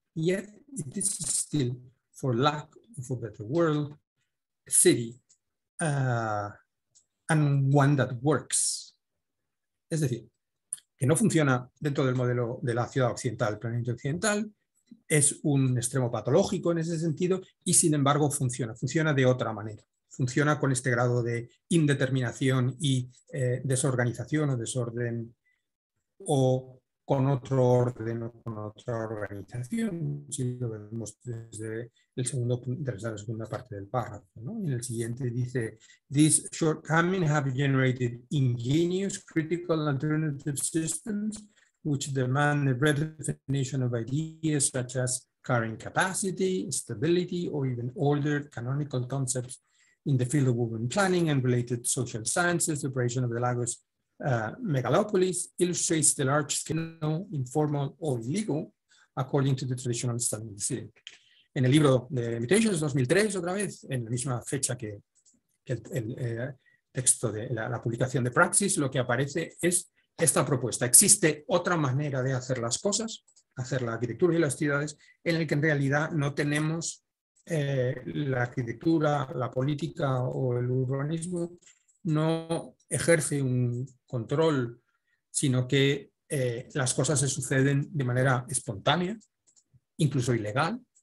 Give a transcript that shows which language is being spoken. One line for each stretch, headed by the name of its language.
English: Yet it is still, for lack of a better word, a city, and one that works.
Spanish: Es decir, que no funciona dentro del modelo de la ciudad occidental, el planeamiento occidental, es un extremo patológico en ese sentido, y sin embargo funciona de otra manera. Funciona con este grado de indeterminación y desorganización o desorden, o con otro orden o con otra organización, si lo vemos desde el segundo desde la segunda parte del párrafo, ¿no? En el siguiente dice,
English: these shortcomings have generated ingenious critical alternative systems which demand a redefinition of ideas such as carrying capacity, stability, or even older canonical concepts in the field of urban planning and related social sciences. Operation of the Lagos megalopolis illustrates the large scale, informal or illegal, according to the traditional study of the city.
Spanish: En el libro de Mutations 2003, otra vez, en la misma fecha que texto de la publicación de Praxis, lo que aparece es esta propuesta. Existe otra manera de hacer las cosas, hacer la arquitectura y las ciudades, en el que en realidad no tenemos la arquitectura, la política o el urbanismo, no ejerce un control, sino que las cosas se suceden de manera espontánea, incluso ilegal,